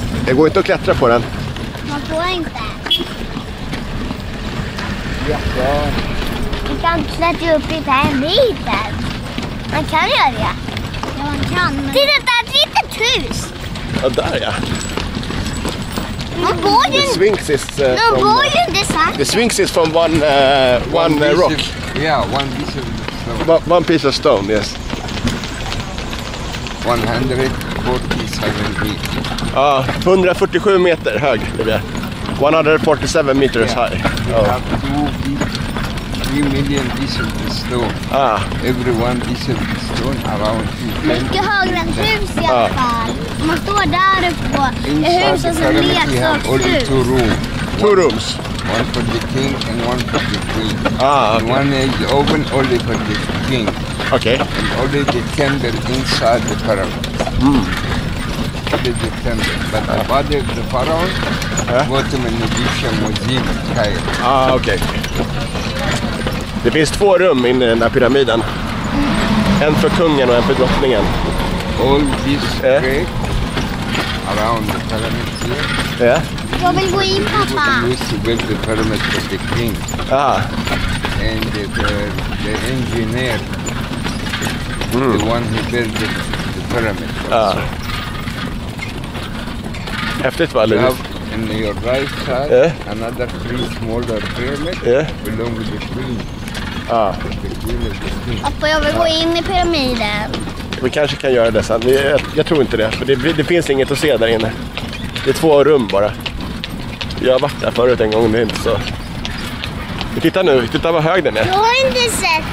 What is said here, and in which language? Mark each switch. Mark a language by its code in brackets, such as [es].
[sv] Det går inte att klättra på den. Man får inte. Jättebra. Man kan klättra upp i pyramiden. Man kan göra det. Ja, man kan. Titta, där är ett litet hus. Ja, där ja. [en] The Sphinx is from the Sphinx is from one rock. One piece of stone. Yes. 147 feet. [sv] 147 meter hög. [en] 147 meters high. We have 2 million pieces of stone. Ah. Every one piece of stone around here. [sv] Mycket högre än hus i alla fall. Man står där uppe på ett hus som är vi har [en] only two rooms. Two rooms. One for the king and one for the queen. Ah, okay. And one is open only for the king. Okay. And only the candle inside the pyramid. Only the candle. But the body of the pharaoh, was a Egyptian museum in Cairo. Ah, okay. [sv] Det finns två rum inne i den där pyramiden. En för kungen och en för drottningen. [en] All this great around the pyramid here. Yeah. [sv] Jag vill gå in, pappa. [en] We used to build the pyramid for the king. Ah. And the engineer, the one who built the pyramid. Ah. [sv] Häftigt, va, Lulu? [en] In your right side, another three smaller pyramids belong to the queen. [sv] Pappa, jag vill gå in i pyramiden. Vi kanske kan göra det sen. Jag tror inte det, för det finns inget att se där inne. Det är två rum bara. Jag har varit där förut en gång, det är inte så. Titta nu, titta vad hög den är. Jag har inte sett.